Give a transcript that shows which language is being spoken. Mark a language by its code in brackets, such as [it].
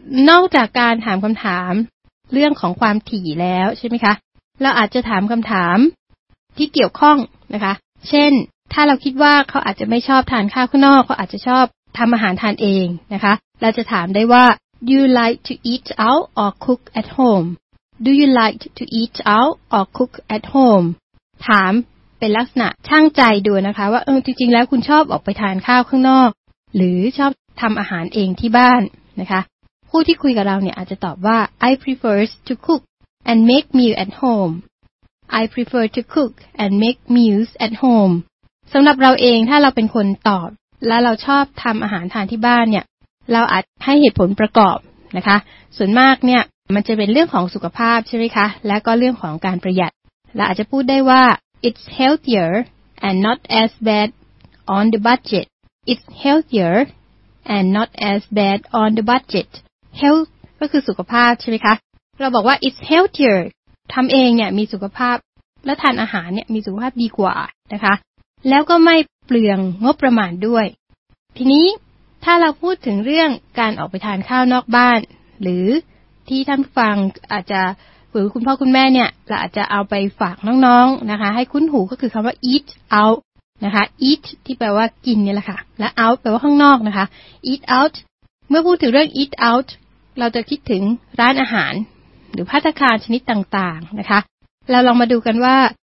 [th] นอกจากการถามคำถามเรื่องของความถี่แล้วใช่ไหมคะเราอาจจะถามคำถามที่เกี่ยวข้องนะคะเช่นถ้าเราคิดว่าเขาอาจจะไม่ชอบทานข้าวข้างนอกเขาอาจจะชอบทำอาหารทานเองนะคะเราจะถามได้ว่า [en] Do you like to eat out or cook at home? Do you like to eat out or cook at home? [th] ถามเป็นลักษณะช่างใจดูนะคะว่าจริงๆแล้วคุณชอบออกไปทานข้าวข้างนอกหรือชอบทำอาหารเองที่บ้านนะคะผู้ที่คุยกับเราเนี่ยอาจจะตอบว่า [en] I prefer to cook and make meal at home. I prefer to cook and make meals at home. [th] สำหรับเราเองถ้าเราเป็นคนตอบแล้วเราชอบทำอาหารทานที่บ้านเนี่ยเราอาจให้เหตุผลประกอบนะคะส่วนมากเนี่ยมันจะเป็นเรื่องของสุขภาพใช่ไหมคะและก็เรื่องของการประหยัดเราอาจจะพูดได้ว่า [en] It's healthier and not as bad on the budget. It's healthier and not as bad on the budget. [th] Health ก็คือสุขภาพใช่ไหมคะเราบอกว่า [en] it's healthier [th] ทำเองเนี่ยมีสุขภาพและทานอาหารเนี่ยมีสุขภาพดีกว่านะคะแล้วก็ไม่เปลืองงบประมาณด้วย ทีนี้ถ้าเราพูดถึงเรื่องการออกไปทานข้าวนอกบ้านหรือที่ท่านฟังอาจจะหรือคุณพ่อคุณแม่เนี่ยเราอาจจะเอาไปฝากน้องๆ นะคะให้คุ้นหูก็คือคำว่า eat out นะคะ eat ที่แปลว่ากินนี่แหละค่ะและ out แปลว่าข้างนอกนะคะ eat out เมื่อพูดถึงเรื่อง eat outเราจะคิดถึงร้านอาหารหรือภัตตาคารชนิดต่างๆนะคะเราลองมาดูกันว่า